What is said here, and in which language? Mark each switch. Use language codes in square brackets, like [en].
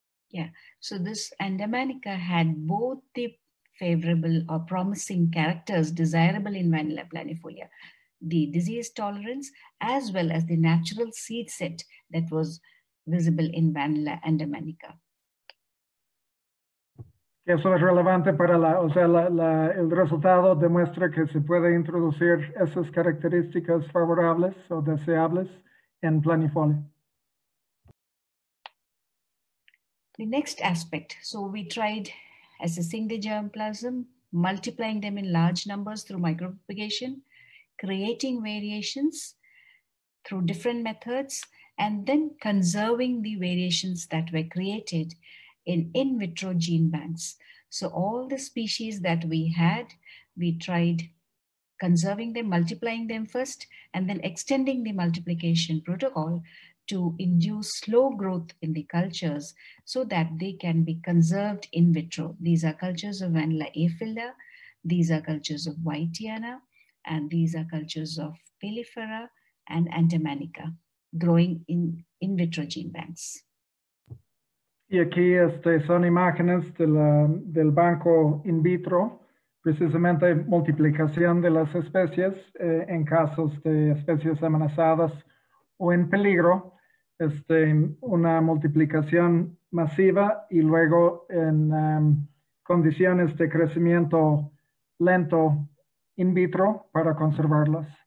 [en] Yeah, so this endomanica had both the favorable or promising characters desirable in vanilla planifolia, the disease tolerance as well as the natural seed set that was visible in vanilla endomanica. [es] Eso es relevante para el resultado demuestra que se puede introducir esas características favorables o deseables en planifolia. [en] The next aspect, so we tried as a single germplasm, multiplying them in large numbers through micropropagation, creating variations through different methods, and then conserving the variations that were created in vitro gene banks. So all the species that we had, we tried conserving them, multiplying them first, and then extending the multiplication protocol to induce slow growth in the cultures so that they can be conserved in vitro. These are cultures of Vanilla aphylla, these are cultures of Whiteana, and these are cultures of Pilifera and Endomanica growing in vitro gene banks. [es] Y aquí son imágenes del banco in vitro, precisamente multiplicación de las especies en casos de especies amenazadas o en peligro. Una multiplicación masiva y luego en condiciones de crecimiento lento in vitro para conservarlas.